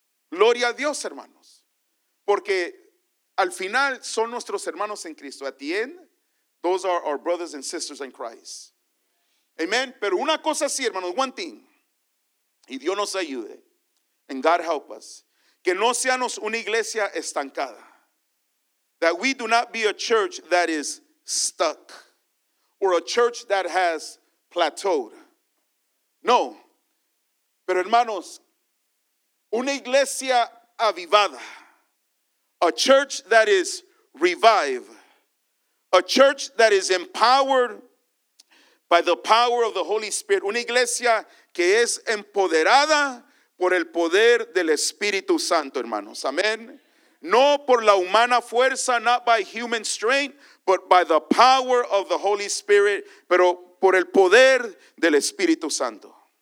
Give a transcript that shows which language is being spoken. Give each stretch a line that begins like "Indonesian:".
Spanish: Gloria a Dios, hermanos, porque al final son nuestros hermanos en Cristo.
English: At the end, those are our brothers and sisters in Christ.
Spanish: Amen. Pero una cosa sí, hermanos,
English: one thing,
Spanish: y Dios nos ayude.
English: And God help us.
Spanish: Que no seamos una iglesia estancada.
English: That we do not be a church that is stuck. Or a church that has plateaued. No.
Spanish: Pero hermanos, una iglesia avivada.
English: A church that is revived. A church that is empowered by the power of the Holy Spirit.
Spanish: Una iglesia que es empoderada por el poder del Espíritu Santo, hermanos.
English: Amén.
Spanish: No por la humana fuerza,
English: not by human strength, but by the power of the Holy Spirit,
Spanish: pero por el poder del Espíritu Santo.